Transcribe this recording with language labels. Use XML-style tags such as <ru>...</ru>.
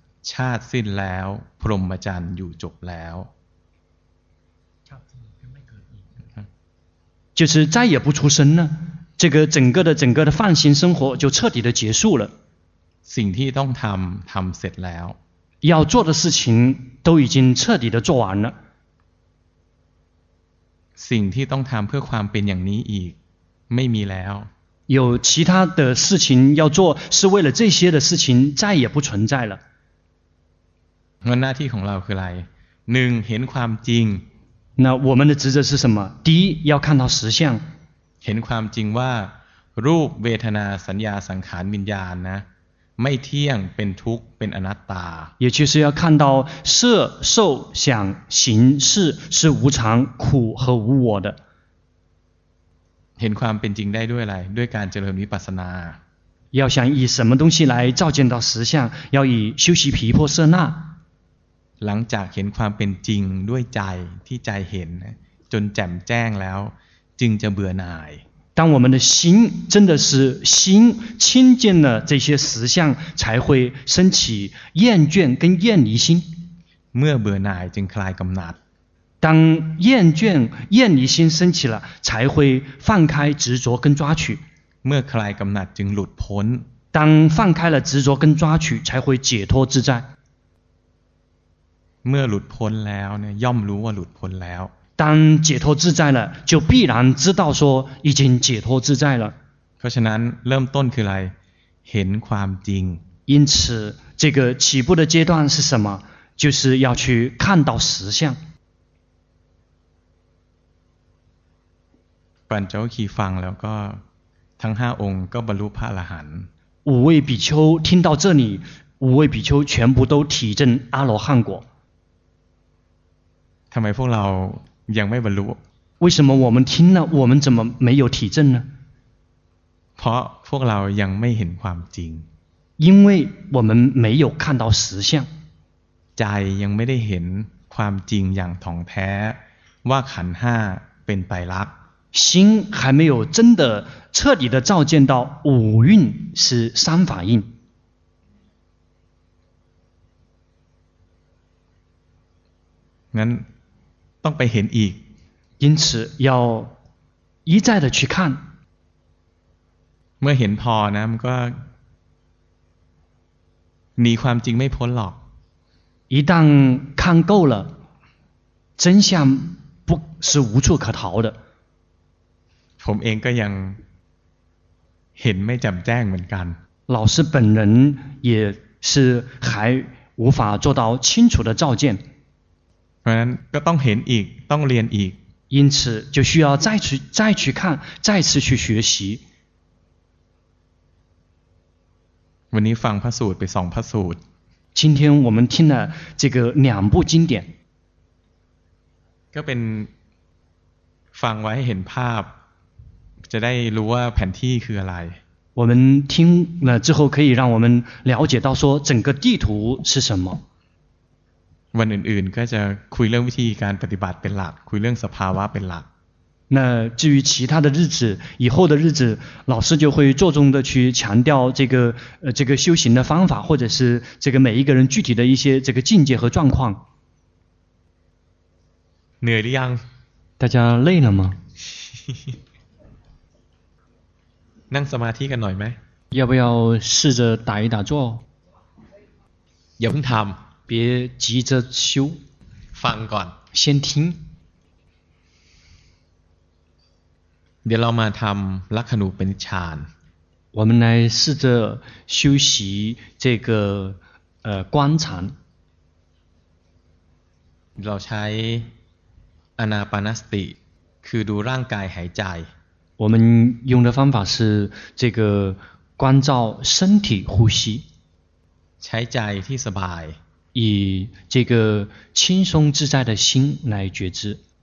<th>ชาติสิ้นแล้วพรหมจรรย์อยู่จบแล้ว</th> <zh>就是再也不出生了这个整个的泛心生活就彻底的结束了</zh> <th>สิ่งที่ต้องทำทำเสร็จแล้ว</th> <zh>要做的事情都已经彻底的做完了</zh> <th>สิ่งที่ต้องทำเพื่อความเป็นอย่างนี้อีกไม่มีแล้ว</th> <zh>有其他的事情要做是为了这些的事情再也不存在了</zh> <th>งั้นหน้าที่ของเราคืออะไร หนึ่งเห็นความจริง</th> <zh>那我们的职责是什么第一要看到实相</zh> <th>เห็นความจริงว่ารูปเวทนาสัญญาสังขารวิญญาณนะ ไม่เที่ยงเป็นทุกข์เป็นอนัตตา</th> <zh>也就是要看到色受想行识是无常苦和无我的</zh> <th>เห็นความเป็นจริงได้ด้วยอะไรด้วยการเจริญวิปัสสนา</th> <zh>要想以什么东西来照见到实相要以修习毗婆舍那</zh> <th>หลังจากเห็นความเป็นจริงด้วยใจที่ใจเห็นจนแจ่มแจ้งแล้วจึงจะเบื่อหน่าย</th> <zh>当我们的心真的是心亲近了这些实相才会升起厌倦跟厌离心</zh> <th>เมื่อเบื่อหน่ายจึงคลายกำหนัด</th> <zh>当厌倦厌离心升起了才会放开执着跟抓取</zh> <th>เมื่อคลายกำหนัดจึงหลุดพ้น</th> <zh>当放开了执着跟抓取才会解脱自在</zh> <th>เมื่อหลุดพ้นแล้วเนี่ยย่อมรู้ว่าหลุดพ้นแล้ว</th> <zh>当解脱自在了就必然知道说已经解脱自在了</zh> <th>เพราะฉะนั้นเริ่มต้นคืออะไรเห็นความจริง</th> <zh>因此这个起步的阶段是什么就是要去看到实相</zh> <th>ปัญจวัคคีย์ฟังแล้วก็ทั้ง5องค์ก็บรรลุพระอรหันต์</th> <zh>五位比丘听到这里五位比丘全部都体证阿罗汉果</zh> <th>ทำไมพวกเรายังไม่บรรลุ</th> <zh>为什么我们听了我们怎么没有体证呢</zh> <th>เพราะพวกเรายังไม่เห็นความจริง</th> <zh>因为我们没有看到实相</zh> <th>ใจยังไม่ได้เห็นความจริงอย่างถ่องแท้ว่าขันธ์5เป็นไตรลักษณ์</th> <zh>心还没有真的彻底的照见到五蕴是三法印</zh> <th>งั้นต้องไปเห็นอีก</th> <zh>因此要一再的去看</zh> <th>เมื่อเห็นพอนะมันก็หนีความจริงไม่พ้นหรอก</th> <zh>一旦看够了真相不是无处可逃的</zh> <th>ผมเองก็ยังเห็นไม่แจ่มแจ้งเหมือนกัน</th> <zh>老师本人也是还无法做到清楚的照见</zh> <th>เพราะนั้นก็ต้องเห็นอีกต้องเรียนอีก</th> <zh>因此就需要再去看再次去学习</zh> <th>วันนี้ฟังพระสูตรไป2พระสูตร</th> <zh>今天我们听了这个两部经典</zh> <th>ก็เป็นฟังไว้ให้เห็นภาพจะได้รู้ว่าแผ่นที่คืออะไร</th> <zh>我们听了之后可以让我们了解到说整个地图是什么</zh> <th>วันอื่นๆก็จะคุยเรื่องวิธีการปฏิบัติเป็นหลักคุยเรื่องสภาวะเป็นหลัก</th> <zh>那至于其他的日子以后的日子老师就会着重的去强调这个修行的方法或者是这个每一个人具体的一些这个境界和状况</zh> <th>เหนื่อยหรือยัง</th> <zh>大家累了吗</zh> <th>นั่งสมาธิกันหน่อยไหม</th> <zh>要不要试着打一打坐</zh> <th>อย่าเพิ่งทำ</th> <zh>别急着修</zh> <th>ฟังก่อน</th> <zh>先听</zh> <th>เดี๋ยวเรามาทำลัคนูปนิชฌาน</th> <zh>我们来试着修习这个观禅</zh> <th>เราใช้อนาปานสติคือดูร่างกายหายใจ</th> <zh>我们用的方法是这个观照身体呼吸</zh> <th>ใช้ใจที่สบาย</th> <zh>以这个轻松自在的心来觉知</zh>